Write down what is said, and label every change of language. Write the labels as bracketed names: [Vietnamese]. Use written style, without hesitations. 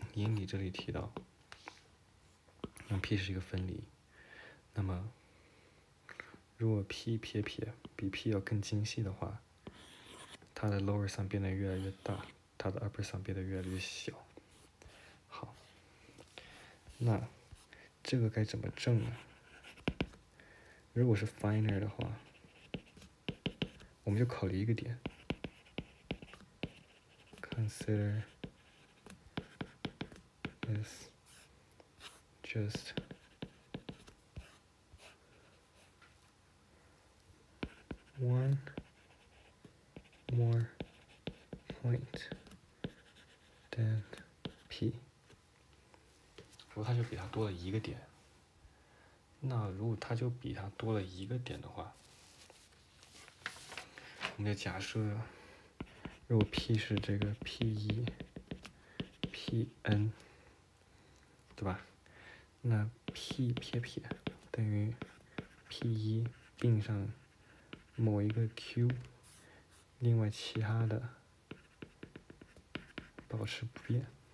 [Chinese] 引理这里提到，用 P 是一个分离，那么如果 P 撇撇比 P 要更精细的话，它的 lower sum 变得越来越大，它的 upper sum 变得越来越小。好，那这个该怎么证呢？如果是 finer 的话，我们就考虑一个点。 [English] Consider is just one more point than P. [Chinese] 如果它就比它多了一个点，那如果它就比它多了一个点的话，我们就假设如果 P 是这个 P1 PN 对吧，那 P 撇撇等于 P1 并上某一个 Q， 另外其他的保持不变。